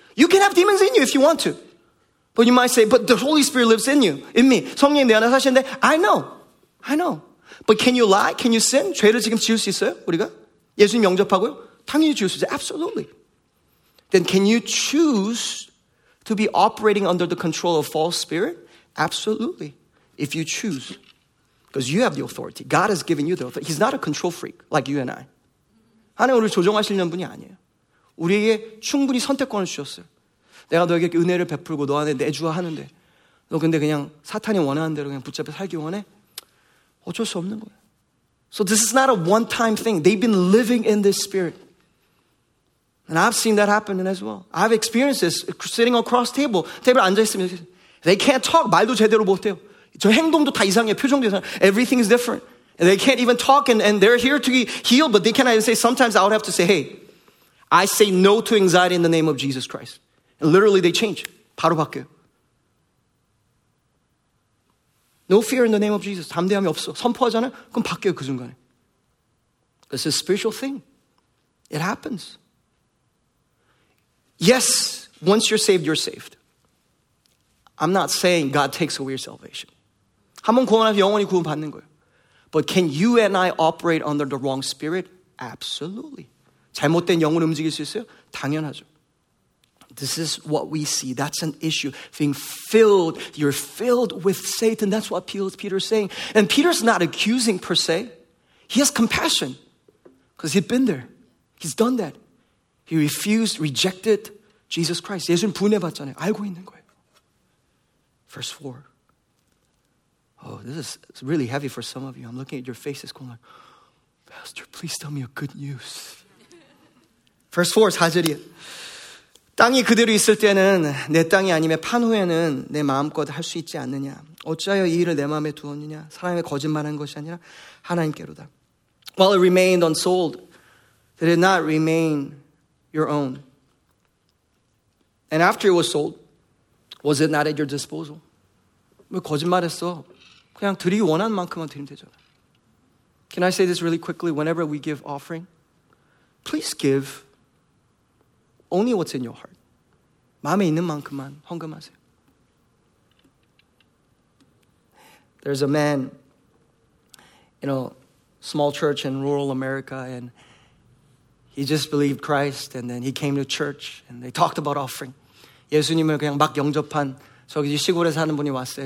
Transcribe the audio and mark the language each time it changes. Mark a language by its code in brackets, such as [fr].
[en] You can have demons in you if you want to. But you might say, but the Holy Spirit lives in you. In me. [ko] 성령이 내 안에 사시는데. [en] I know. But can you lie? Can you sin? [ko] 죄를 지금 지을 수 있어요? 우리가? 예수님 영접하고요? 당연히 지을 수 있어요. [en] Absolutely. Then can you choose to be operating under the control of false spirit? Absolutely. If you choose. Because you have the authority. God has given you the authority. He's not a control freak like you and I. [ko] 하나님 우리를 조종하시려는 분이 아니에요. 우리에게 충분히 선택권을 주셨어요. 내가 너에게 은혜를 베풀고 너 안에 내주와 하는데 너 근데 그냥 사탄이 원하는 대로 그냥 붙잡혀 살기 원해? 어쩔 수 없는 거예요. [en] So this is not a one-time thing. They've been living in this spirit. And I've seen that happen as well. I've experienced this sitting across table. [ko] 테이블에 앉아있으면 [en] they can't talk. [ko] 말도 제대로 못해요. 저 행동도 다 이상해요. 표정도 이상해요. [en] Everything is different. And they can't even talk, and they're here to be healed, but they cannot even say. Sometimes I would have to say, hey, I say no to anxiety in the name of Jesus Christ. And literally they change. [ko] 바로 바뀌어요. [en] No fear in the name of Jesus. [ko] 담대함이 없어. 선포하잖아요. 그럼 바뀌어요, 그 순간에. [en] It's a spiritual thing. It happens. Yes, once you're saved, you're saved. I'm not saying God takes away your salvation. [ko] 한 번 구원하면 영원히 구원 받는 거예요. [en] But can you and I operate under the wrong spirit? Absolutely. [ko] 잘못된 영혼 움직일 수 있어요? 당연하죠. [en] This is what we see. That's an issue. Being filled. You're filled with Satan. That's what Peter's saying. And Peter's not accusing per se. He has compassion. Because he'd been there. He's done that. He refused, rejected Jesus Christ. [ko] 예수님 분해받잖아요. 알고 있는 거예요. [en] Verse 4. Oh, this is really heavy for some of you. I'm looking at your faces going like, Pastor, please tell me a good news. Verse 4, [ko] 4절이에요. 땅이 그대로 있을 때는 내 땅이 아니면 판 후에는 내 마음껏 할 수 있지 않느냐. 어찌하여 이 일을 내 마음에 두었느냐. 사람의 거짓말한 것이 아니라 하나님께로다. [en] While it remained unsold, it did not remain your own. And after it was sold, was it not at your disposal? [ko] 왜 거짓말했어? 그냥 드리기 원하는 만큼만 드리면 되잖아. [en] Can I say this really quickly? Whenever we give offering, please give only what's in your heart. [ko] 마음에 있는 만큼만 헌금하세요. [en] There's a man in a small church in rural America, and he just believed Christ, and then he came to church, and they talked about offering. [ko] 예수님을 그냥 막 영접한 저기 시골에 사는 분이 왔어요.